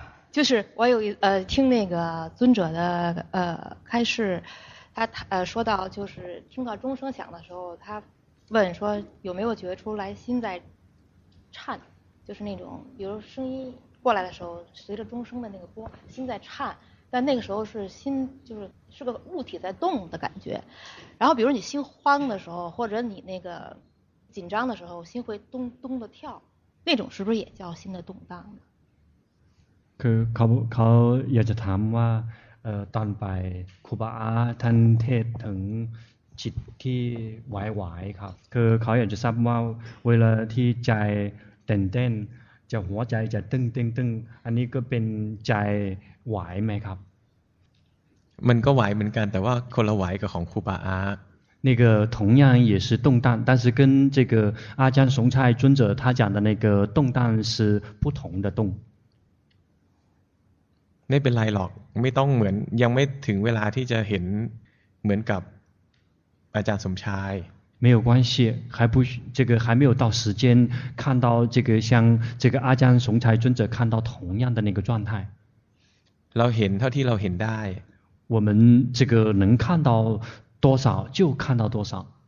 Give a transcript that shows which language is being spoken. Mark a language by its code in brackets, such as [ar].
[zh] 就是我有听那个尊者的开示，他说到就是听到钟声响的时候，他问说有没有觉出来心在颤，就是那种比如声音过来的时候，随着钟声的那个波，心在颤，但那个时候是心就是个物体在动的感觉。然后比如你心慌的时候，或者你那个紧张的时候，心会咚咚的跳，那种是不是也叫心的动荡呢？ [th] คือเขาอยากจะถามว่าตอนไปครูบาอาท่านเทศถึงจิตที่ไหวๆครับคือเขาอยากจะทราบว่าเวลาที่ใจเต้นๆจะหัวใจจะตึงๆอันนี้ก็เป็นใจไหวไหมครับ มันก็ไหวเหมือนกันแต่ว่าคนละไหวกับของครูบาอา [zh] 那个同样也是动荡但是跟这个阿姜雄菜尊者他讲的那个动荡是不同的动 [th] ไม่เป็นไรหรอกไม่ต้องเหมือนยังไม่ถึงเวลาที่จะเห็นเหมือนกับอาจารย์สมชาย [zh] 没有关系还不这个还没有到时间看到这个像这个阿姜雄才尊者看到同样的那个状态 [th] เราเห็นเท่าที่เราเห็นได้ [zh] 我们这个能看到多少就看到多少